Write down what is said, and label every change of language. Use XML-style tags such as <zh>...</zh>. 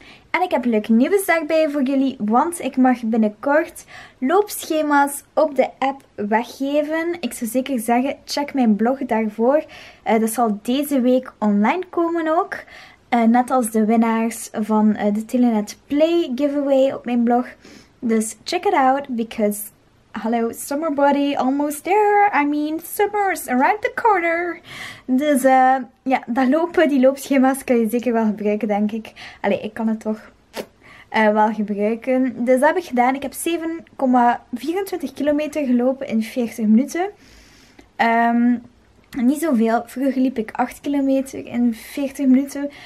<nl>En ik heb leuk nieuws daarbij voor jullie, want ik mag binnenkort loopschema's op de app weggeven. Ik zou zeker zeggen, check mijn blog daarvoor. Dat zal deze week online komen ook. Net als de winnaars van de Telenet Play giveaway op mijn blog. Dus</nl> <en>check it out, because hello, summer body, almost there. I mean, summer's around the corner.</en> <nl>Dus ja, dat lopen, die loopschema's kan je zeker wel gebruiken, denk ik. Allee, ik kan het toch wel gebruiken. Dus dat heb ik gedaan. Ik heb 7,24 kilometer gelopen in 40 minuten. Niet zoveel. Vroeger liep ik 8 kilometer in 40 minuten.</nl>